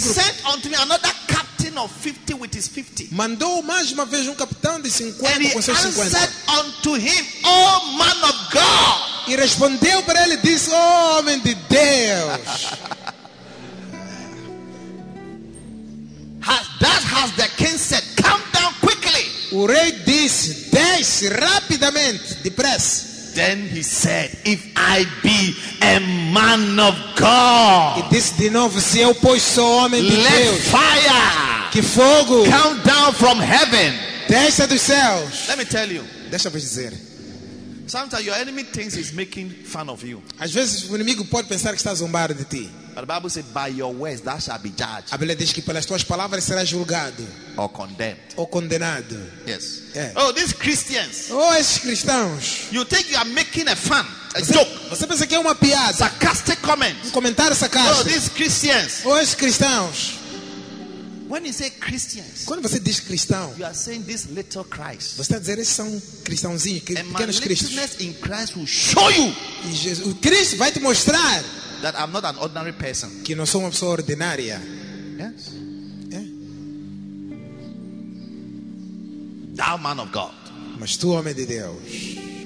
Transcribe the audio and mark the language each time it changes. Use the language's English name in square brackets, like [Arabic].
[English] Sent unto me another captain of 50 with his 50. [Portuguese] Mandou mais uma vez capitão de 50 com seus 50. [English] And he answered unto him, oh man of God. [Portuguese] E respondeu para ele e disse, oh, homem de Deus. [English] has the king said, come down quickly. [Portuguese] O rei disse, desce rapidamente, depressa. [English] Then he said, if I be a man of God. [Portuguese] E disse de novo, se eu pois sou homem de [English] let [Portuguese] Deus. [English] Let fire. [Portuguese] Que fogo. [English] Come down from heaven. [Portuguese] Desce dos céus. [English] Let me tell you. [Portuguese] Deixa eu dizer. [English] Sometimes your enemy thinks he's making fun of you. [Portuguese] Às vezes o inimigo pode pensar que está zombando de ti. [English] But the Bible says, by your words thou shalt be judged. [Portuguese] A Bíblia diz que pelas tuas palavras serás julgado. [English] Or condemned. [Portuguese] Ou condenado. [English] Yes. [Portuguese] É. [English] Oh, these Christians. [Portuguese] Oh, esses cristãos. [English] You think you are making a fun, a [Portuguese] você, [English] joke. [Portuguese] Você pensa que é uma piada. [English] Sarcastic comment. [Portuguese] Um comentário sarcástico. [English] Oh, these Christians. [Portuguese] Oh, esses cristãos. [English] When you say Christians, [Portuguese] quando você diz cristão, [English] you are saying this little Christ. [Portuguese] Você está dizendo esses são cristãozinhos, pequenos cristos. [English] And my littleness in Christ will show you. [Portuguese] E Jesus, o Cristo vai te mostrar [English] that I'm not an ordinary person. [Portuguese] Que não sou uma pessoa ordinária. [English] Yes. Yeah. Thou man of God. [Portuguese] Mas tu homem de Deus.